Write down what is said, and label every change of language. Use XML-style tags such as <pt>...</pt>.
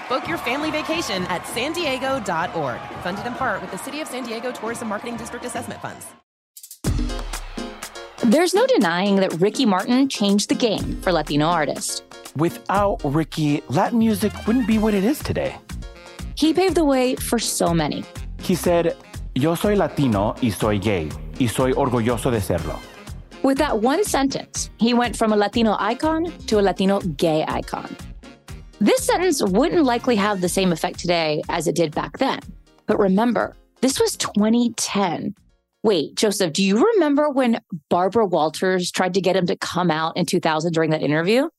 <en>Book your family vacation at sandiego.org. Funded in part with the City of San Diego Tourism Marketing District Assessment Funds. There's no denying that Ricky Martin changed the game for Latino artists. Without Ricky, Latin music wouldn't be what it is today. He paved the way for so many. He said,</en> <es>"Yo soy Latino y soy gay, y soy orgulloso de serlo."</es> <en>With that one sentence, he went from a Latino icon to a Latino gay icon. This sentence wouldn't likely have the same effect today as it did back then. But remember, this was 2010. Wait, Joseph, do you remember when Barbara Walters tried to get him to come out in 2000 during that interview?</en>